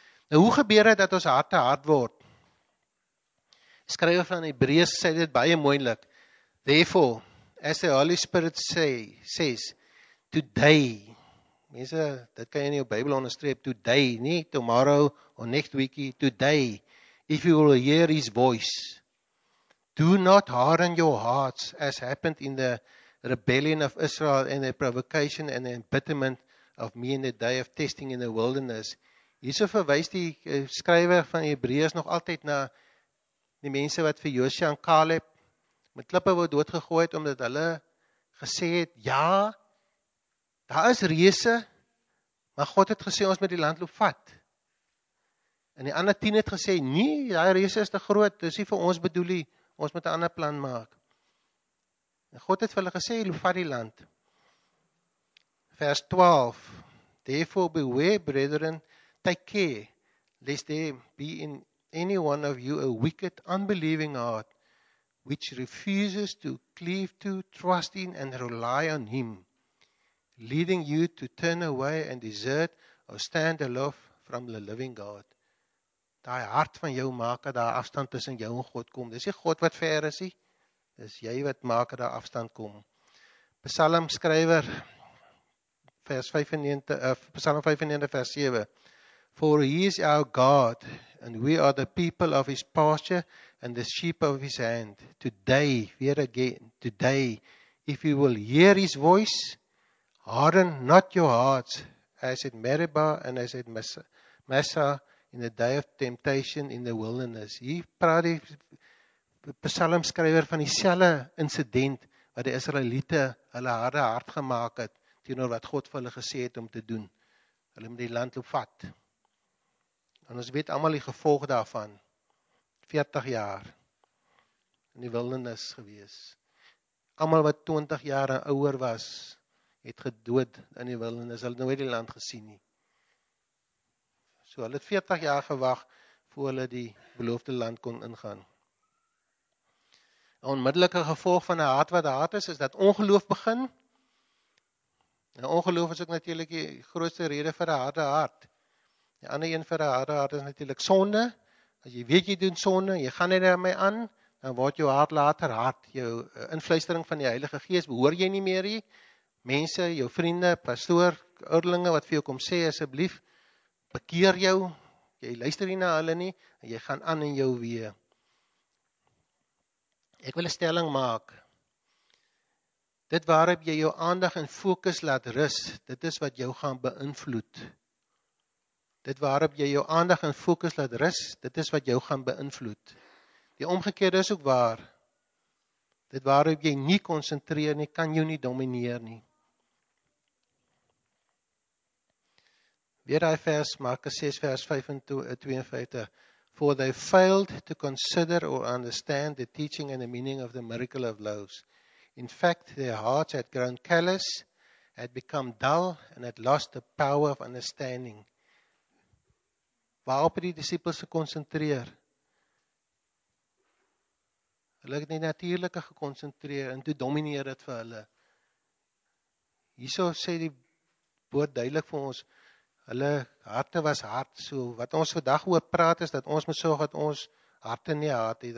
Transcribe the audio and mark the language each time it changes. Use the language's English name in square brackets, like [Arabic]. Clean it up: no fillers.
[Afrikaans] Nou hoe gebeur het dat ons harte hard word? Skrywer van Hebreërs sê dit baie moeilik. [English] Therefore, as the Holy Spirit says, today, [Afrikaans] mense, dit kan jy in jou Bybel onderstreep, [English] today, nie tomorrow or next week, today, if you will hear his voice, do not harden your hearts as happened in the rebellion of Israel and the provocation and the embitterment of me in the day of testing in the wilderness. [Afrikaans] Hierso verwys die skrywer van Hebreërs nog altyd na die mense wat vir Josia en Caleb met klippe wou doodgegooi het omdat hulle gesê het, ja, daar is reëse, maar God het gesê ons moet die land loop vat. En die ander 10 het gesê, nee, daai reëse is te groot, dis nie vir ons bedoel nie, ons moet 'n ander plan maak. En God het vir hulle gesê, loop vat die land. [English] Vers 12, therefore beware, brethren, take care, lest they be in any one of you a wicked, unbelieving heart, which refuses to cleave to, trust in, and rely on him, leading you to turn away and desert, or stand aloof from the living God. [Afrikaans] Daai hart van jou maak dat daar afstand tussen jou en God kom. Dis nie God wat ver is nie, dis jy wat maak dat daar afstand kom. Psalm skrywer, [English] Psalm 95 vers 7, for he is our God, and we are the people of his pasture, and the sheep of his hand. Today, here again, today, if you will hear his voice, harden not your hearts, as at Meribah and as at Massah in the day of temptation in the wilderness. [Afrikaans] Hier praat die psalmskrywer van dieselfde incident, wat die Israeliete hulle harde hart gemaak het, teenoor wat God vir hulle gesê het om te doen. Hulle moet die land loop vat. En ons weet allemaal die gevolg daarvan. 40 jaar in die wildernis gewees. Allemaal wat 20 jaar en ouer was, het gedood in die wildernis. Hulle het nooit die land gesien nie. So hulle het 40 jaar gewag voor hulle die beloofde land kon ingaan. Een onmiddellike gevolg van 'n hart wat hard is, is dat ongeloof begin. En ongeloof is ook natuurlik die grootste rede vir 'n harde hart. Die ander een vir 'n harde hart is natuurlik sonde. As jy weet jy doen sonde, jy gaan nie daarmee aan, dan word jou hart later hard. Jou invluistering van die Heilige Gees behoor jy nie meer nie. Mense, jou vriende, pastoor, ouderlinge wat vir jou kom sê, asseblief, bekeer jou. Jy luister nie na hulle nie, en jy gaan aan in jou weer. Ek wil 'n stelling maak. Dit waarop jy jou aandag en fokus laat rus, dit is wat jou gaan beïnvloed. Dit waarop jy jou aandag en fokus laat rus, dit is wat jou gaan beïnvloed. Die omgekeerde is ook waar. Dit waarop jy nie konsentreer nie, kan jou nie domineer nie. Weer daai vers, Markus 6 vers 52. [English] For they failed to consider or understand the teaching and the meaning of the miracle of loaves. In fact, their hearts had grown callous, had become dull, and had lost the power of understanding. [Afrikaans] Waarop het die disippels gekonsentreer? Hulle het nie natuurlike gekonsentreer, en toe domineer dit vir hulle. Hierso sê die woord duidelik vir ons, hulle harte was hard, so wat ons vandag oor praat is, dat ons moet sorg dat ons harte nie hard het.